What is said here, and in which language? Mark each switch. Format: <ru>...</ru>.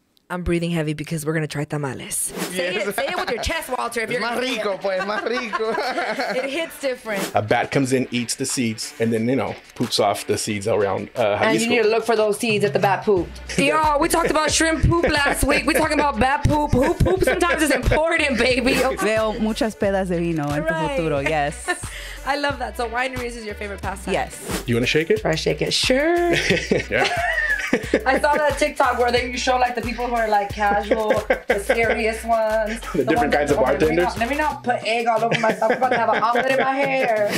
<en>I'm breathing heavy because we're going to try tamales. Yes. Say it with your chest, Walter.</en> <es>It's más rico, pues. Más rico.</es> <en>It hits different. A bat comes in, eats the seeds, and then, you know, poops off the seeds around high school. And you need to look for those seeds at the bat poop. Y'all, we talked about shrimp poop last week. We're talking about bat poop. Who poops sometimes is important, baby.</en> <es>Veo muchas pedas de vino en tu futuro.</es> <en>Yes. I love that. So wineries is your favorite pastime. Yes. You want to shake it? Try to shake it. Sure. Yeah. I saw that TikTok where they show like the people who are like casual, the serious ones. The different kinds of bartenders. Let me not put egg all over myself. I'm about to have an omelet in my hair.</en>